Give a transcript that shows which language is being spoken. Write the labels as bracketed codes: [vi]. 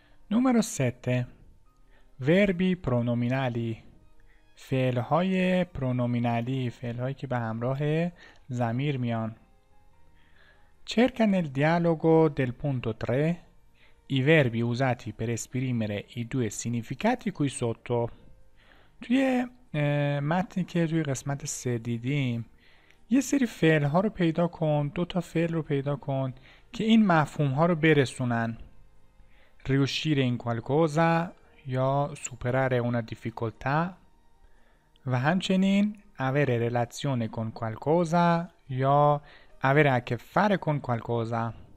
[fa] نمره 7 وربی پرونومینالی، فعل‌های پرونومینالی، فعل‌هایی که به همراه ضمیر میان. [it] Cerca nel dialogo del punto 3 i verbi usati per esprimere i due significati qui sotto. [fa] توی متنی که توی قسمت 3 دیدیم یه سری فعل‌ها رو پیدا کن، دو تا فعل رو پیدا کن که این مفهوم‌ها رو برسونن. [it] Riuscire in qualcosa یا superare una difficoltà [fa] و همچنین [it] avere relazione con qualcosa یا avere a che fare con qualcosa.